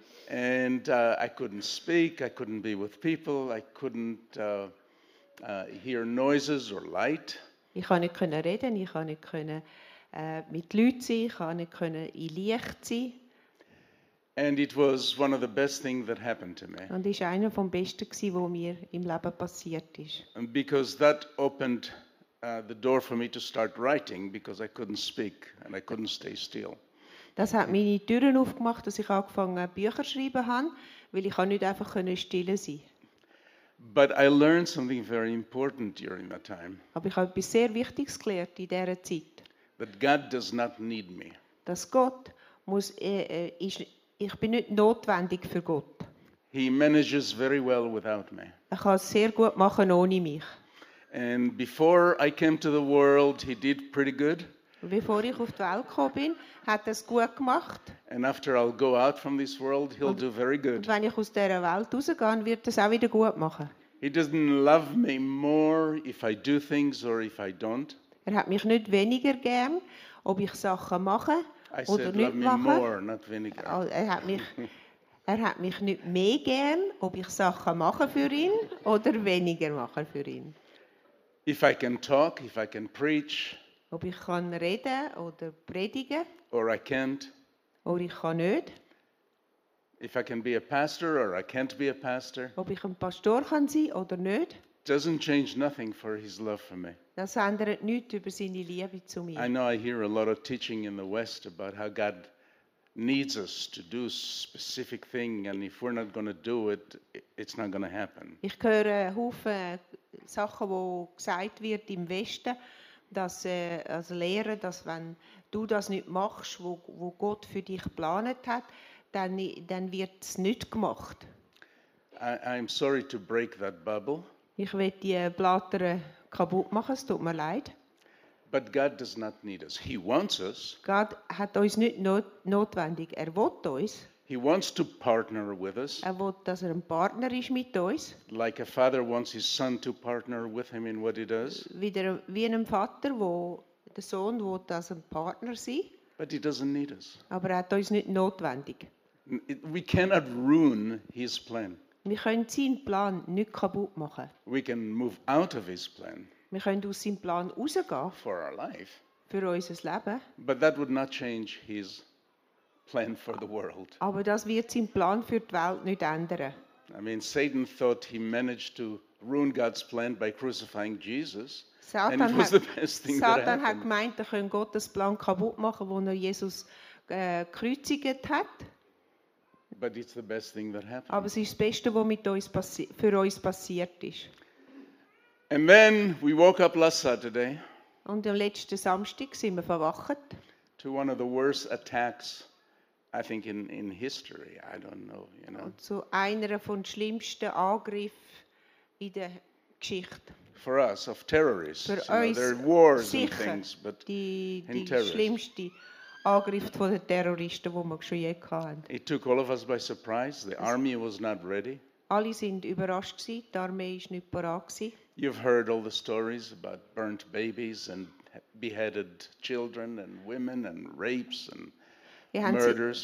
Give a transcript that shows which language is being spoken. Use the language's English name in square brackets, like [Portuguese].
[English] And I couldn't speak, I couldn't be with people, I couldn't hear noises or light. [German] Ich konnte nicht können reden, ich konnte nicht können, mit Leuten sein, ich konnte nicht können in Licht sein. [English] And it was one of the best things that happened to me. [German] Und es war einer vom Besten gsi, wo mir im Leben passiert ist. [English] Because that opened the door for me to start writing, because I couldn't speak and I couldn't stay still. [German] Das hat meine Türen aufgemacht, dass ich angefangen Bücher schreiben habe, weil ich nicht einfach still sein konnte. [English] But I learned something very important during that time. [German] Aber ich habe etwas sehr Wichtiges gelernt in dieser Zeit. [English] That God does not need me. [German] Dass Gott muss, ich bin nicht notwendig für Gott. [English] He manages very well without me. [German] Er kann es sehr gut machen ohne mich. [English] And before I came to the world, he did pretty good. [German] Bevor ich auf die Welt gekommen bin, hat er es gut gemacht. [English] And after I'll go out from this world, he'll do very good. [German] Und wenn ich aus dieser Welt rausgehe, wird er es auch wieder gut machen. [English] He doesn't love me more if I do things or if I don't. [German] Er hat mich nicht weniger gern, ob ich Sachen mache [English] I [German] oder [English] said, [German] nicht [English] love [German] mache. [English] Me more, not [German] weniger. Er hat mich nicht mehr gern, ob ich Sachen mache für ihn oder weniger mache für ihn. [English] If I can talk, if I can preach. [German] Ob ich kann reden oder predigen. [English] Or I can't. [German] Oder ich kann nicht. [English] If I can be a pastor or I can't be a pastor. [German] Ob ich ein Pastor kann sein oder nicht. [English] Doesn't change nothing for his love for me. [German] Das ändert nichts über seine Liebe zu mir. [English] I know I hear a lot of teaching in the West about how God needs us to do specific thing and if we're not going to do it, it's not going to happen. [German] Ich höre Haufen Sachen, die gesagt wird im Westen, dass als Lehre, dass wenn du das nicht machst, wo Gott für dich geplant hat, dann wird es nicht gemacht. [English] I'm sorry to break that bubble. [German] Ich will die Blätter kaputt machen, es tut mir leid. [English] But God does not need us. He wants us. [German] God hat uns nicht notwendig. Er will uns. [English] He wants to partner with us. [German] Er will, dass er ein Partner ist mit uns. [English] Like a father wants his son to partner with him in what he does. [German] Wie ein Vater, wo der Sohn will, dass ein Partner sei. [English] But he doesn't need us. [German] Aber er hat uns nicht notwendig. [English] We cannot ruin his plan. [German] Wir können seinen Plan nicht kaputt machen. [English] We can move out of his plan. [German] Wir können aus seinem Plan rausgehen. [English] For our life. [German] Für unser Leben. [English] But that would not change his plan for the world. [German] Aber das wird seinen Plan für die Welt nicht ändern. [English] I mean, Satan thought he managed to ruin God's plan by crucifying Jesus. [German] Satan hat gemeint, er könne Gottes Plan kaputt machen, wo er Jesus gekreuzigt hat. [English] But it's the best thing that happened. [German] Aber es ist das Beste, was mit uns für uns passiert ist. [English] And then we woke up last Saturday. [German] Und am letzten Samstag sind wir verwacht. [English] To one of the worst attacks, I think, in history. I don't know, you know. [German] Und zu einer von schlimmsten Angriffen in der Geschichte. [English] For us, of terrorists. [German] Für uns, [English] know, there are wars [German] sicher, [English] and things, but [German] die schlimmste Angriff von den Terroristen, die wir schon je hatten. [English] It took all of us by surprise. The army was not ready. [German] Alle sind überrascht gewesen. Die Armee ist nicht bereit gewesen. [English] You've heard all the stories about burnt babies and beheaded children and women and rapes and murders.